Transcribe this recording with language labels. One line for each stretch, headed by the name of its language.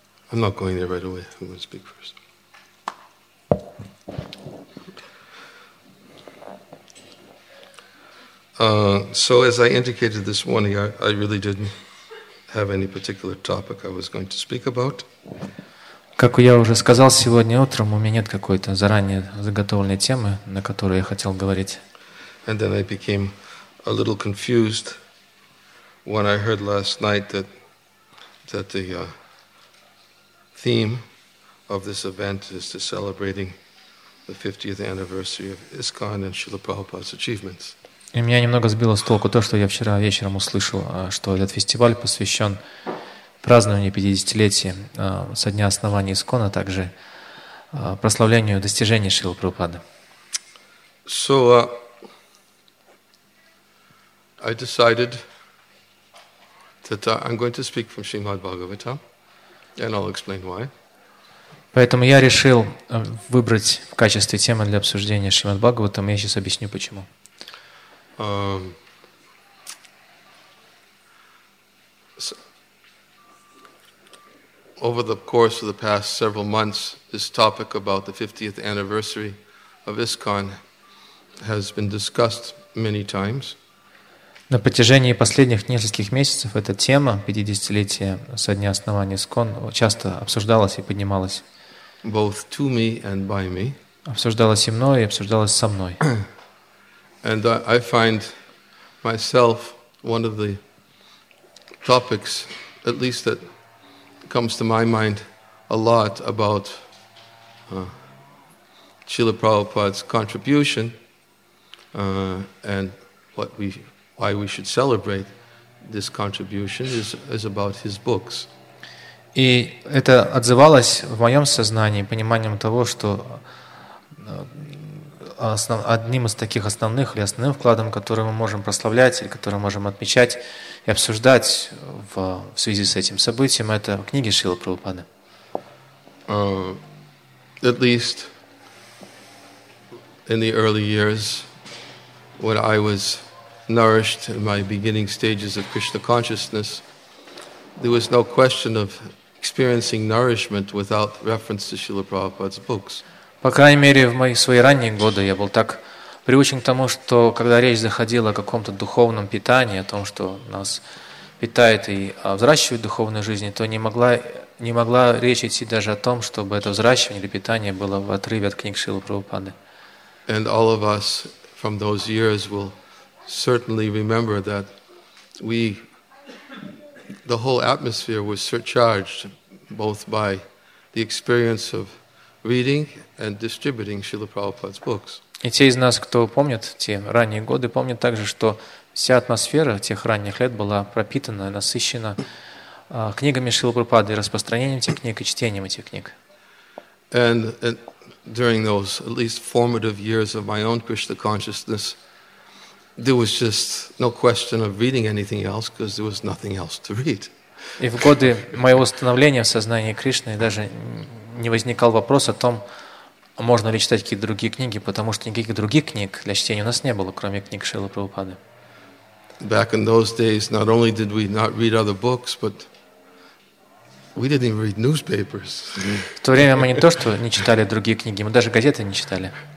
English: I'm not going there right away. I'm going to speak first. So as I indicated this morning, I really didn't have any particular topic I was going to speak about.
Russian: Как я уже сказал сегодня утром, у меня нет какой-то заранее заготовленной темы, на которую я хотел говорить.
English: And then I became a little confused when I heard last night that the theme of this event is to celebrating the 50th anniversary of ISKCON and Srila Prabhupada's achievements.
Russian: И меня немного сбило с толку то, что я вчера вечером услышал, что этот фестиваль посвящен празднованию 50-летия со дня основания ИСККОНа, а также прославлению достижений Шрилы Прабхупады.
English: So I decided that I'm going to speak from Srimad Bhagavatam, and I'll explain why.
Russian: Поэтому я решил выбрать в качестве темы для обсуждения Шримад Бхагаватам, и я сейчас объясню почему.
English: Over the course of the past several months, this topic about the 50th anniversary of ISKCON has been discussed many times.
Russian: На протяжении последних нескольких месяцев эта тема 50-летия со дня основания ИСККОН часто обсуждалась и поднималась.
English: Both to me and by me.
Russian: Обсуждалась и мной, и обсуждалась со мной.
English: And I find myself one of the topics, at least that comes to my mind a lot about Srila Prabhupada's contribution and why we should celebrate this contribution is about his books.
Russian: И это отзывалось в моем сознании пониманием того, что одним из таких основных или основным вкладом, который мы можем прославлять или который можем отмечать и обсуждать в связи с этим событием, это книги Шрилы Прабхупады.
English: At least in the early years when I was nourished in my beginning stages of Krishna consciousness, there was no question of experiencing nourishment without reference to Srila Prabhupada's books.
Russian: По крайней мере, в мои свои ранние годы я был так приучен к тому, что когда речь заходила о каком-то духовном питании, о том, что нас питает и взращивает духовную жизнь, то не могла речь идти даже о том, чтобы это взращивание или питание было в отрыве от книг Шрилы Прабхупады.
English: And all of us from those years will certainly remember that the whole atmosphere was surcharged both by the experience of reading and distributing Srila Prabhupada's books.
Russian: И те из нас, кто помнит те ранние годы, помнят также, что вся атмосфера тех ранних лет была пропитана, насыщена книгами Шрилы Прабхупады, распространением этих книг и чтением этих книг.
English: And during those at least formative years of my own Krishna consciousness, there was just no question of reading anything else because there was nothing else to read.
Russian: И в годы моего становления в сознании Кришны даже не возникал вопрос о том, можно ли читать какие-то другие книги, потому что никаких других книг для чтения у нас не было, кроме книг Шрилы Прабхупады.
English: Back in those days, not only did we not read other books, but we didn't even read newspapers.
Russian: В то время мы не то что не читали другие книги, мы даже газеты не читали.